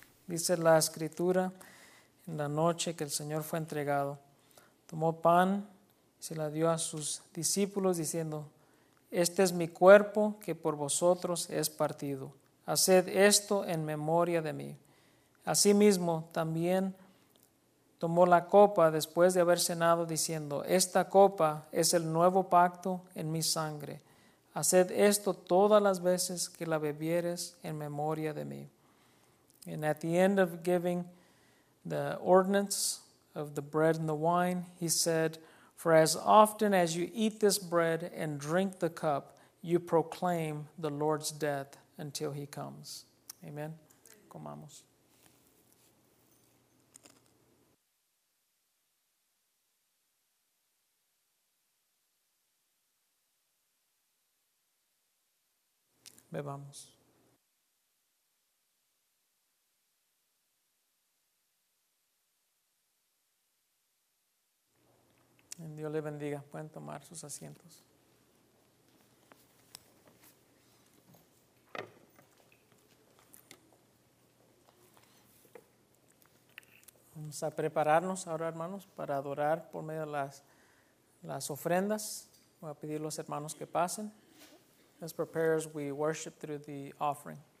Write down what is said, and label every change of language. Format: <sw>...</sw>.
<es>Dice la escritura: en la noche que el Señor fue entregado, tomó pan y se la dio a sus discípulos diciendo: este es mi cuerpo que por vosotros es partido, haced esto en memoria de mí. Asimismo también tomó la copa después de haber cenado diciendo: esta copa es el nuevo pacto en mi sangre. Haced esto todas las veces que la bebieres en memoria de mí.</es> <en>And at the end of giving the ordinance of the bread and the wine, he said, for as often as you eat this bread and drink the cup, you proclaim the Lord's death until he comes.</en> <es>Amen. Comamos. Bebamos. Dios le bendiga. Pueden tomar sus asientos. Vamos a prepararnos ahora, hermanos, para adorar por medio de las las ofrendas. Voy a pedir a los hermanos que pasen.</es> <en>Let's prepare as we worship through the offering.</en>